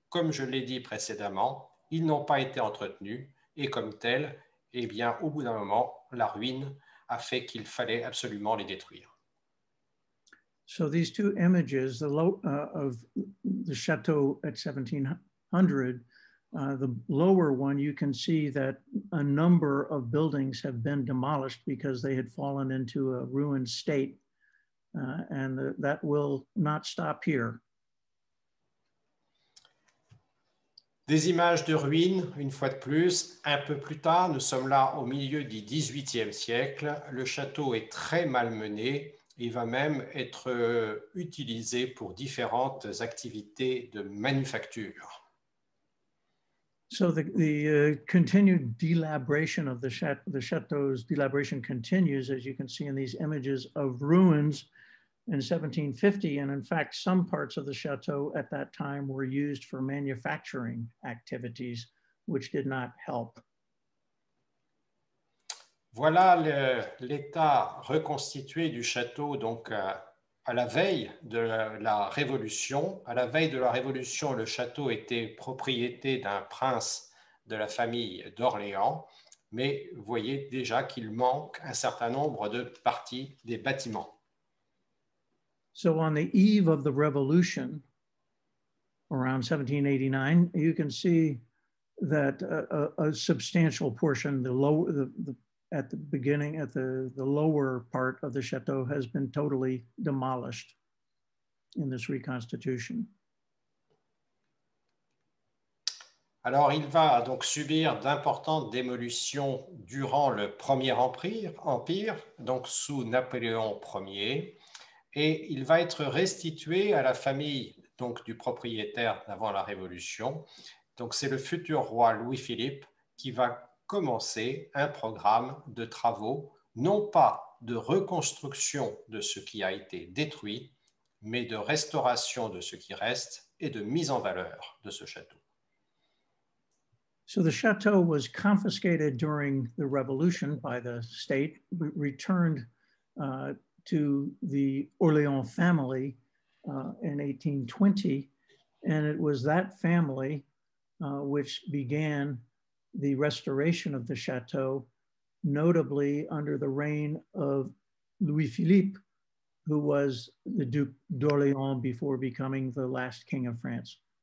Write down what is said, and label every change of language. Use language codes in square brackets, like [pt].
[fr] Comme je l'ai dit précédemment, ils n'ont pas été entretenus et comme tel, eh bien, au bout d'un moment, la ruine a fait qu'il fallait absolument les détruire. [en] So these two images, the of the château at 1700, the lower one, you can see that a number of buildings have been demolished because they had fallen into a ruined state. and that will not stop here. [fr] Des images de ruines, une fois de plus. Un peu plus tard, nous sommes là au milieu du 18e siècle. Le château est très malmené. Il va même être utilisé pour différentes activités de manufacture. [en] So the continued delabration of the château's delabration continues, as you can see in these images of ruins in 1750. And in fact, some parts of the château at that time were used for manufacturing activities, which did not help. [fr] Voilà l'état reconstitué du château donc à la veille de la Révolution. À la veille de la Révolution, le château était propriété d'un prince de la famille d'Orléans, mais vous voyez déjà qu'il manque un certain nombre de parties des bâtiments. [en] So on the eve of the Revolution, around 1789, you can see that a substantial portion, the lower part of the château has been totally demolished in this reconstitution. [fr] Alors, il va donc subir d'importantes démolitions durant le Premier Empire, donc sous Napoléon Ier, et il va être restitué à la famille donc du propriétaire avant la Révolution. Donc, c'est le futur roi Louis-Philippe qui va commencer un programme de travaux, non pas de reconstruction de ce qui a été détruit, mais de restauration de ce qui reste et de mise en valeur de ce château. [en] So the château was confiscated during the Revolution by the state, returned to the Orléans family in 1820, and it was that family which began the restoration of the château, notably under the reign of Louis-Philippe, who was the Duke d'Orléans before becoming the last King of France.